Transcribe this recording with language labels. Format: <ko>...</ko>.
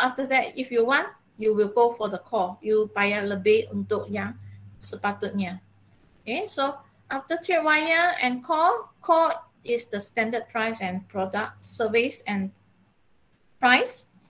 <en>After that, if you want, you will go for the core.</en> <ms>You bayar lebih untuk yang sepatutnya.</ms> <en>Okay, so after tripwire and core is the standard price and product service and price.</en>